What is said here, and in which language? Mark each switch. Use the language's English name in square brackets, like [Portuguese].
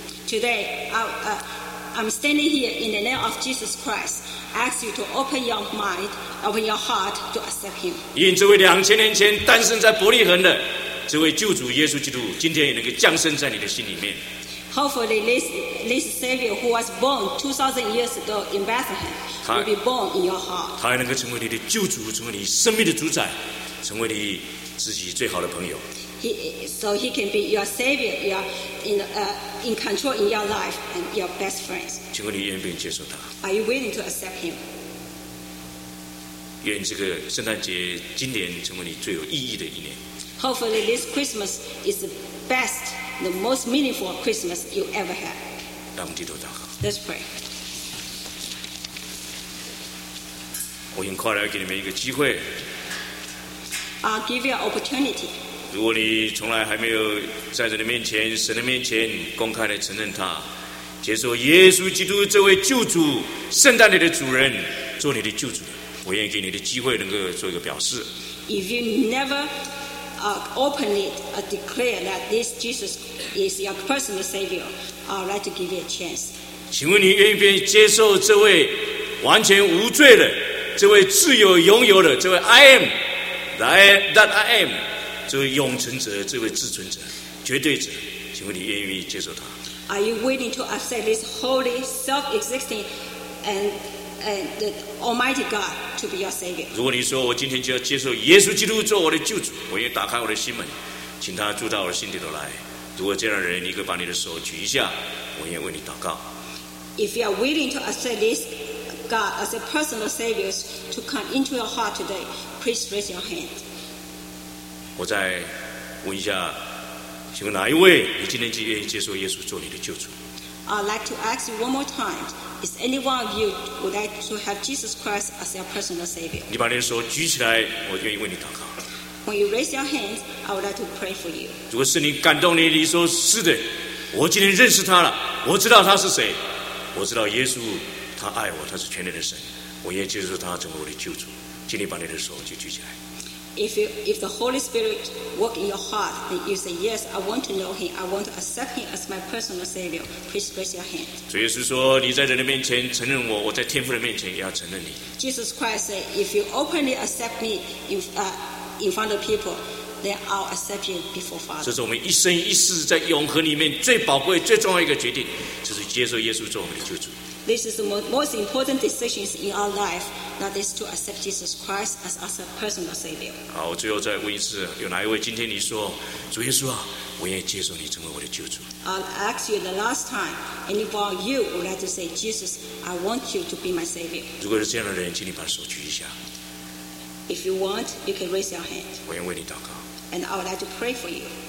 [English] Today, I'm standing here in the name of Jesus Christ. Ask you to open your mind, open your heart to accept him. [Chinese] 愿这位两千年前诞生在伯利恒的这位救主耶稣基督，今天也能够降生在你的心里面。 [English] Hopefully, this Savior who was born 2,000 years ago in Bethlehem will be born in your heart. [Chinese] 他还能够成为你的救主，成为你生命的主宰，成为你自己最好的朋友。 [English] So he can be your Savior, your in control in your life and your best friends. [Chinese] 请问你愿不愿意接受他 [English] ？Are you willing to accept him? [Chinese] 愿这个圣诞节今年成为你最有意义的一年。 [English] Hopefully this Christmas is the best, the most meaningful Christmas you ever had. [Chinese] 让我们低头祷告。 [English] Let's pray. [Chinese] 我很快来给你们一个机会。 [English] I'll give you an opportunity. [Chinese] 如果你从来还没有在这里面前，神的面前公开的承认他，接受耶稣基督这位救主，圣诞里的主人，做你的救主，我愿意给你的机会能够做一个表示。 [English] If you never openly declare that this Jesus is your personal Savior, I'd like to give you a chance. [Chinese] 请问你愿意接受这位完全无罪的，这位自由拥有的，这位 [English] I am, [Chinese] 这位永存者，这位至尊者，绝对者，请问你愿意接受他？ [English] Are you willing to accept this holy, self-existing, and the Almighty God to be your Savior? [Chinese] 如果你说我今天就要接受耶稣基督做我的救主，我愿意打开我的心门，请他住到我的心里头来。如果这样的人，你可以把你的手举一下，我愿意为你祷告。 [English] If you are willing to accept this God as a personal Savior to come into your heart today, please raise your hand. [Chinese] 我再问一下，请问哪一位你今天愿意接受耶稣做你的救主？ [English] I'd like to ask you one more time. Is any one of you would like to have Jesus Christ as your personal Savior? [Chinese] 你把你的手举起来，我愿意为你祷告。 [English] When you raise your hands, I would like to pray for you. [Chinese] 如果圣灵感动你，你说是的，我今天认识他了，我知道他是谁，我知道耶稣，他爱我，他是全能的神，我愿意接受他成为我的救主。请你把你的手就举起来。 [English] If the Holy Spirit work in your heart, then you say yes. I want to know Him. I want to accept Him as my personal Savior. Please raise your hand. [Chinese] 主耶稣说：“你在人的面前承认我，我在天父的面前也要承认你。” [English] Jesus Christ said, "If you openly accept me in front of people, then I'll accept you before Father." [Chinese] 这是我们一生一世在永恒里面最宝贵、最重要一个决定，就是接受耶稣做我们的救主。 [English] This is the most important decisions in our life, that is to accept Jesus Christ as our personal Savior. [Chinese] 好，我最后再问一次，有哪一位今天你说，主耶稣啊，我愿意接受你成为我的救主。 [English] I'll ask you the last time, any one of you would like to say, Jesus, I want you to be my Savior. [Chinese] 如果是这样的人，请你把手举一下。 [English] If you want, you can raise your hand. [Chinese] 我愿意为你祷告。 [English] And I would like to pray for you.